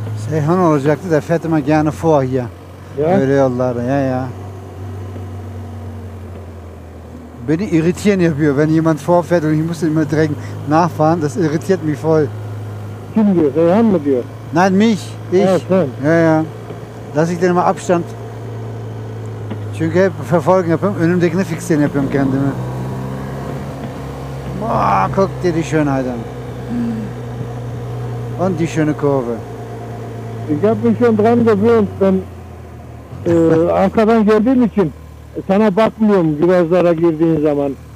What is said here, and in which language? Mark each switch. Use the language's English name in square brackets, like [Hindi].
[Turkish] Seyhan olacaktı da Fatima gene fuah ya. Öyle yollarda ya ya. Beni irritieren yapıyor. [German] Wenn jemand vorfährt und ich muss immer drängen nachfahren, das irritiert mich voll. [Turkish] Kim diyor? Seyhan mı diyor? [German] Nein, mich. Ich. Ja, ja. Lass ich den mal Abstand. [Turkish] Çünkü hep verfolgen yapıyorum. Önümdekini fixieren yapıyorum kendimi. [German] Boah, guck dir die Schönheit an. Und die schöne Kurve. Ich hab mich schon dran gewöhnt, [Turkish] ben arkadan geldiğim için sana bakmıyorum virajlara girdiğin zaman.